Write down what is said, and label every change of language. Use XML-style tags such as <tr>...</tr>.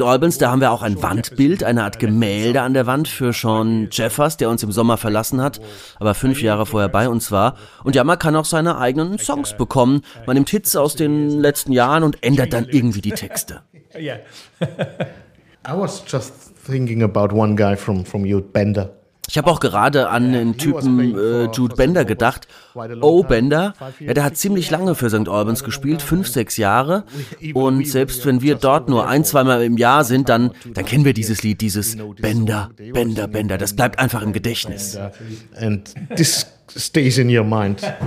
<de>Albans, da haben wir auch ein Wandbild, eine Art Gemälde an der Wand für Sean Jeffers, der uns im Sommer verlassen hat, aber 5 Jahre vorher bei uns war. Und ja, man kann auch seine eigenen Songs bekommen. Man nimmt Hits aus den letzten Jahren und ändert dann irgendwie die Texte.</de> <en>I was just thinking about one guy from you, Bender.</en> <de>Ich habe auch gerade an den Typen Jude Bender gedacht. Oh, Bender, ja, der hat ziemlich lange für St. Albans gespielt, 5, 6 Jahre. Und selbst wenn wir dort nur 1, 2 Mal im Jahr sind, dann kennen wir dieses Lied, dieses Bender, Bender, Bender. Das bleibt einfach im Gedächtnis.</de> <en>And this stays in your mind.</en>